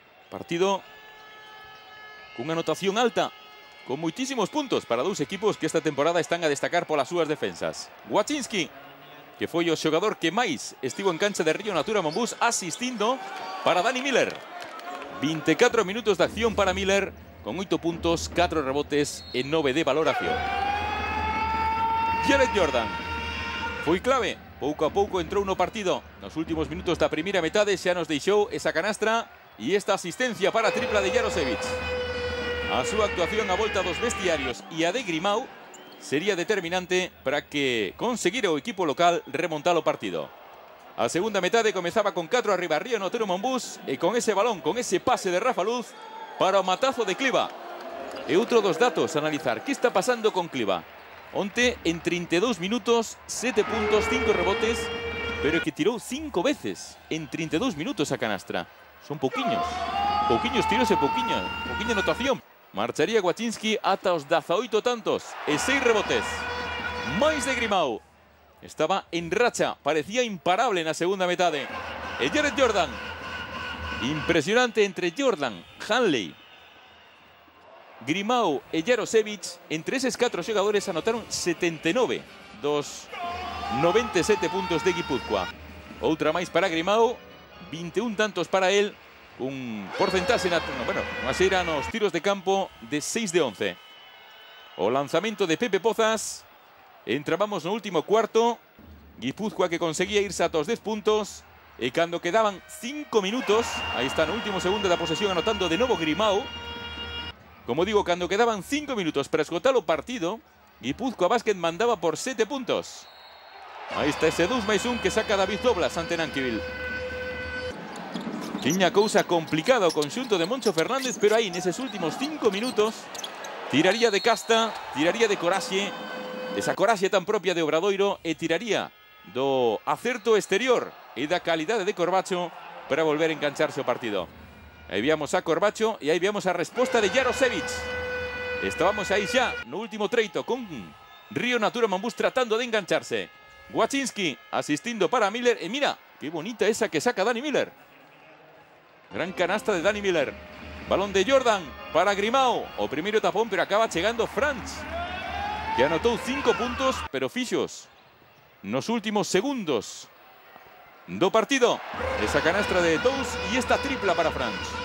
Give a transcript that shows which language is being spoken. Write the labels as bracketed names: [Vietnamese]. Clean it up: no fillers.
[Galician] Partido cunha anotación alta, con moitísimos puntos para dous equipos que esta temporada están a destacar polas súas defensas. Wachinski, que foi o xogador que máis estivo en cancha de Río Natura Bambús, asistindo para Dani Miller. 24 minutos de acción para Miller, con 8 puntos, 4 rebotes e 9 de valoración. Jared Jordan foi clave. Pouco a pouco entrou no partido. Nos últimos minutos da primeira metade xa nos deixou esa canastra e esta asistencia para a tripla de Jaroševich. A súa actuación a volta dos vestiarios e a de Grimau sería determinante para que conseguira o equipo local remontar o partido. A segunda metade comezaba con 4 arriba Río Natura Bambús e con ese balón, con ese pase de Rafa Luz para o matazo de Cliva. E outro dos datos a analizar. Que está pasando con Cliva? Onte, en 32 minutos, 7 puntos, 5 rebotes, pero que tirou 5 veces en 32 minutos a canastra. Son pouquiños. Pouquiños tiros e pouquiña anotación. Marcharía Wachinski ata os 18 tantos e 6 rebotes. Máis de Grimau. Estaba en racha, parecía imparable na segunda metade. E Jared Jordan. Impresionante entre Jordan, Hanley, Grimau e Jaroševich. Entre eses 4 xogadores anotaron 79 dos 97 puntos de Guipúzcoa. Outra máis para Grimau, 21 tantos para él. Un porcentaxe, bueno, máis eran os tiros de campo de 6 de 11. [Spanish] o lanzamiento de Pepe Pozas. Entrábamos en el último cuarto. Guipúzcoa que conseguía irse a todos 10 puntos. Y cuando quedaban 5 minutos, ahí está en el último segundo de la posesión anotando de nuevo Grimau. Como digo, cuando quedaban 5 minutos para escotar el partido, Guipúzcoa Basket mandaba por 7 puntos. Ahí está ese 2-1 que saca David Doblas ante Nanquivil. [Galician] Tiña cousa complicado o conxunto de Moncho Fernández, pero aí, neses últimos 5 minutos, tiraría de casta, tiraría de coraxe, esa coraxe tan propia de Obradoiro, e tiraría do acerto exterior e da calidade de Corbacho para volver a engancharse o partido. Aí viamos a Corbacho e aí viamos a resposta de Jaroševic. Estábamos aí xa no último treito con Río Natura Mambús tratando de engancharse. Wachinski asistindo para Miller e mira, que bonita esa que saca Dani Miller. Gran canasta de Dani Miller. Balón de Jordan para Grimau. O primeiro tapón, pero acaba chegando Franz, que anotou 5 puntos, pero fixos nos últimos segundos do partido. Esa canastra de Tous e esta tripla para Franz.